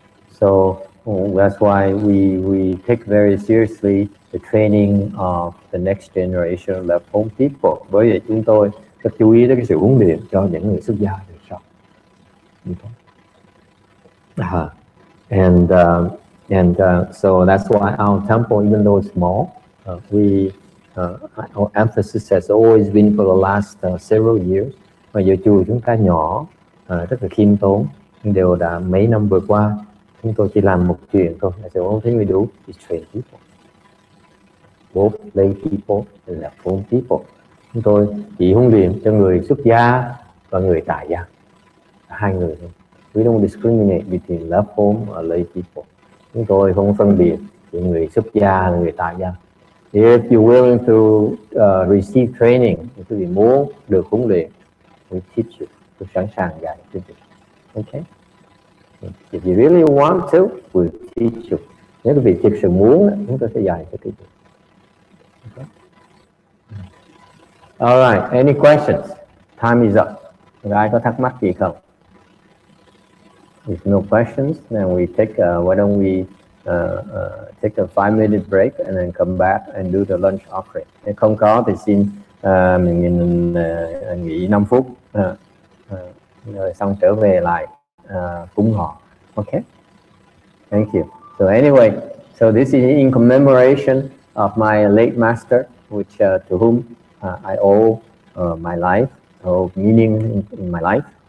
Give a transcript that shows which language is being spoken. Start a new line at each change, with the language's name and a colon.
English: So that's why we take very seriously the training of the next generation of home people.
Vietnamese: Bởi vậy chúng tôi rất chú ý đến cái sự huấn luyện cho những người xuất gia đời sau.
English: So that's why our temple, even though it's small, our emphasis has always been for the last several years.
Vietnamese: Mà giờ chùa chúng ta nhỏ, rất là khiêm tốn, nhưng đều đã mấy năm vừa qua, chúng tôi chỉ làm một chuyện thôi.
English: That's the only thing we do is train people. Both lay people and full people.
Vietnamese: Chúng tôi chỉ huấn luyện cho người xuất gia và người tại gia. Hai người thôi.
English: We don't discriminate between left home or lay people.
Vietnamese: Chúng tôi không phân biệt giữa người xuất gia và người tại gia.
English: If you're willing to receive training, if you
Vietnamese: muốn được huấn luyện,
English: we teach you.
Vietnamese: Tôi sẵn sàng dạy cho quý vị.
English: Okay. If you really want to, we teach you.
Vietnamese: Nếu quý vị thực sự muốn, chúng tôi sẽ dạy cho quý vị.
English: Okay. All right. Any questions? Time is up.
Vietnamese: Ai có thắc mắc gì không?
English: If no questions, then we take. Take a 5-minute break and then come back and do the lunch offering.
Vietnamese: Nếu không có thì xin mình nghỉ 5 phút rồi xong trở về lại cúng họ.
English: Okay. Thank you. So anyway, so this is in commemoration of my late master, which to whom I owe my life, owe meaning in my life.